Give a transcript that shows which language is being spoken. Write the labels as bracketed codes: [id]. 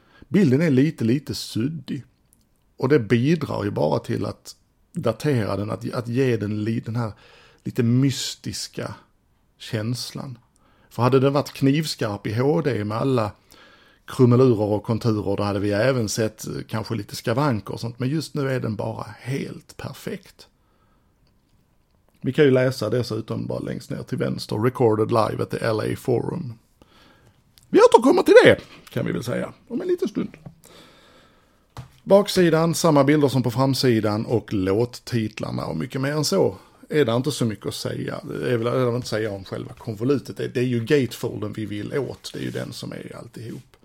[sv] Bilden är lite suddig. Och det bidrar ju bara till att datera den, att ge den här lite mystiska känslan. För hade den varit knivskarp i HD med alla krumelurer och konturer, då hade vi även sett kanske lite skavanker och sånt. Men just nu är den bara helt perfekt. Vi kan ju läsa dessutom bara längst ner till vänster. [en] Recorded live at the LA Forum. [sv] Vi återkommer till det, kan vi väl säga. Om en liten stund. Baksidan, samma bilder som på framsidan och låttitlarna och mycket mer än så. Är det inte så mycket att säga. Det är väl att inte säga om själva konvolutet. Det är ju gatefolden vi vill åt. Det är ju den som är alltihop.